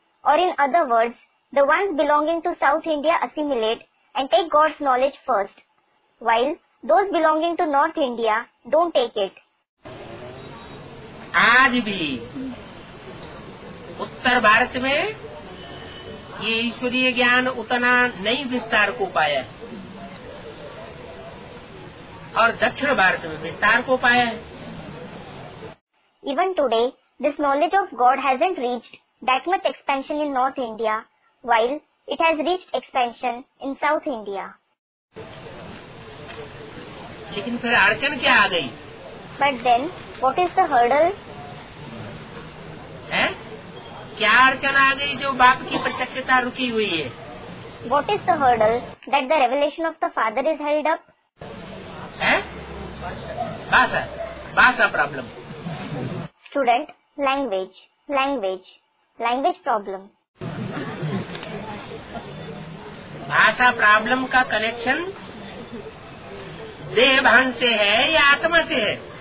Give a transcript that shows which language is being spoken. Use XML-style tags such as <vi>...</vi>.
<en>Or in other words, the ones belonging to South India assimilate and take God's knowledge first, while those belonging to North India don't take it.</en> <hi>आज भी उत्तर भारत में ये ईश्वरीय ज्ञान उतना नहीं विस्तार को पाया है, और दक्षिण भारत में विस्तार को पाया है।</hi> <en>Even today, this knowledge of God hasn't reached that much expansion in North India, while it has reached expansion in South India.</en> <hi>लेकिन फिर अड़चन क्या आ गई?</hi> <en>But then, what is the hurdle?</en> <hi>है? क्या अड़चन आ गई जो बाप की प्रत्यक्षता रुकी हुई है?</hi> <en>What is the hurdle that the revelation of the Father is held up?</en> <hi>है? भाषा, भाषा problem.</hi> <en>Student language language language problem.</en> <hi>भाषा प्रॉब्लम का कनेक्शन देह भान से है या आत्मा से है?</hi>